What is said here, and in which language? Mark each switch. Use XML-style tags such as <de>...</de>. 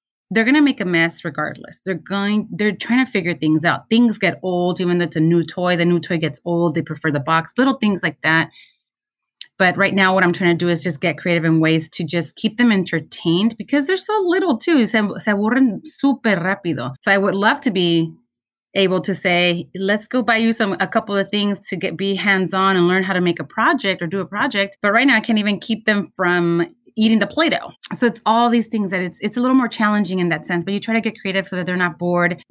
<en>They're going to make a mess regardless. They're trying to figure things out. Things get old, even though it's a new toy. The new toy gets old. They prefer the box, little things like that. But right now what I'm trying to do is just get creative in ways to just keep them entertained because they're so little too.</en> <es>Se aburren super rápido.</es> <en>So I would love to be able to say, let's go buy you a couple of things to get be hands-on and learn how to make a project or do a project. But right now I can't even keep them from eating the Play-Doh. So it's all these things that it's a little more challenging in that sense, but you try to get creative so that they're not bored.</en>